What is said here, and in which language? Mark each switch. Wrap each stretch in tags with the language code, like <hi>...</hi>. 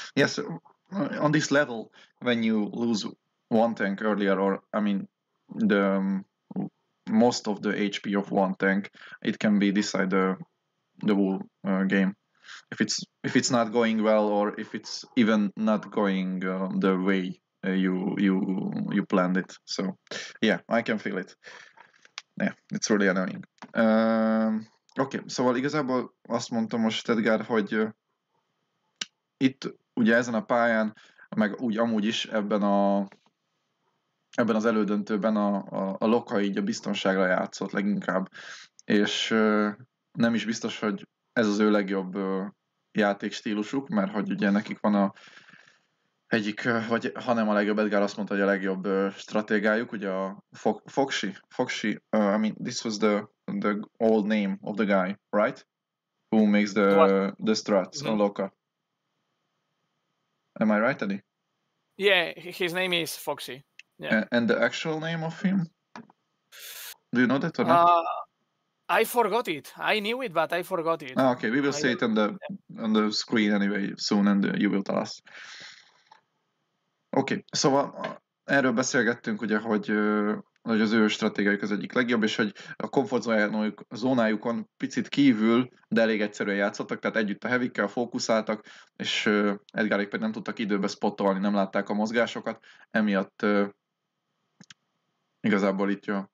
<en>Yes, on this level, when you lose one tank earlier, or, I mean, the most of the HP of one tank, it can be decide the whole game. If it's not going well, or if it's even not going the way you planned it, so yeah, I can feel it. Yeah, it's really annoying.</en> <hu>Okay, szóval igazából azt mondtam most Edgar, hogy itt ugye ezen a pályán, meg úgy amúgy is ebben az elődöntőben a Loka így a biztonságra játszott leginkább, és nem is biztos, hogy ez az ő legjobb játékstílusuk, mert hogy ugye nekik van a egyik, vagy ha nem a legjobb, Edgar azt mondta, hogy a legjobb stratégiájuk, ugye a Foxy,</hu> <en>I mean, this was the old name of the guy, right? who makes the struts on Loka. Am I right, Eddie? Yeah, his name is Foxy. Yeah. And the actual name of him? Do you know that or not? I forgot it. I knew it, but I forgot it. Oh, okay, we will see it on the on the screen anyway soon, and you will tell us.</en> <hu>Okay, szóval erről beszélgettünk, ugye, hogy, hogy az ő stratégiájuk az egyik legjobb, és hogy a komfortzónájukon picit kívül, de elég egyszerűen játszottak, tehát együtt a heavy-kkel fókuszáltak, és Edgarék pedig nem tudtak időbe spottolni, nem látták a mozgásokat, emiatt igazából itt jó.</hu>